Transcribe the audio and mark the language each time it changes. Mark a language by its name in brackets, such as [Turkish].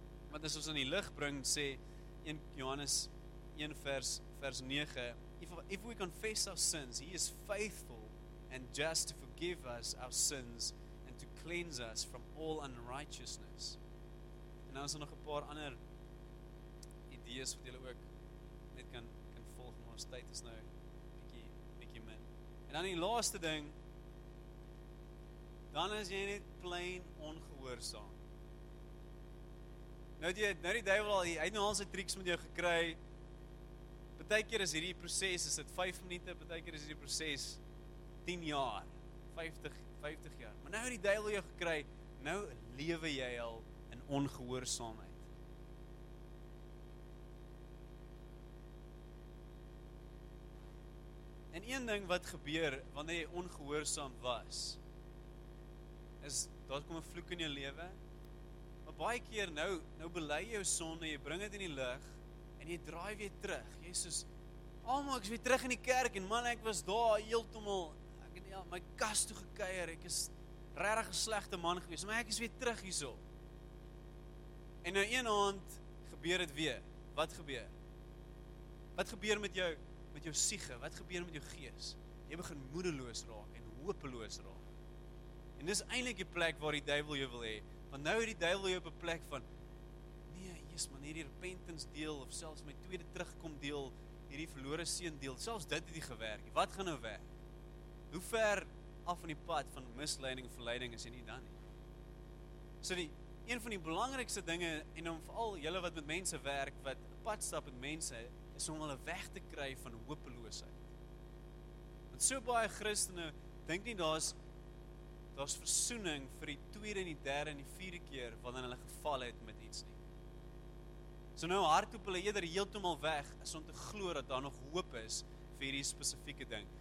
[Afrikaans] Want as ons in die lig bring, sê 1 Johannes 1 vers 9, [English] if we confess our sins, he is faithful and just to forgive us our sins and to cleanse us from all unrighteousness. [Afrikaans] En nou is daar nog 'n paar ander idees wat julle ook net kan volg. Ons tyd is nou bietjie min. En dan die laaste ding, dan is jy net plain ongehoorsaam. Nou die duivel al, hy het nou al sy tricks met jou gekry. Partykeer is hierdie proses, is dit 5 minute, partykeer is hierdie proses 10 jaar, 50 jaar. Maar nou het die duivel jou gekry, nou lewe jy al in ongehoorsaamheid. En een ding wat gebeur, wanneer jy ongehoorsaam was, is, daar kom 'n vloek in jou lewe, maar baie keer nou belei jou sonde, jy bring dit in die lig, en jy draai weer terug, jy is soos, almal, ek is weer terug in die kerk, en man, ek was daar, heeltemal, ek het al my kas toe gekeier, ek is regtig 'n slegte man gewees, maar ek is weer terug hierso. En nou een aand, gebeur dit weer, wat gebeur met jou siege, wat gebeur met jou gees? Jy begin moedeloos raak en hopeloos raak. En dis eintlik die plek waar die duivel jou wil hê, want nou het die duivel jou op 'n plek van nee, Jesus, man, hierdie repentance deel of selfs my tweede terugkom deel, hierdie verlore seun deel, selfs dit het nie gewerk nie. Wat gaan nou werk? Hoe ver af van die pad van misleiding en verleiding is jy nie dan nie? So die een van die belangrikste dinge en om veral julle wat met mense werk, wat pad stap met mense, is om hulle weg te kry van hopeloosheid. Want so baie Christene dink nie daar's versoening vir die tweede en die derde en die vierde keer wanneer hulle geval het met iets nie. So nou hardloop hulle eerder heeltemal weg as om te glo dat daar nog hoop is vir hierdie spesifieke ding.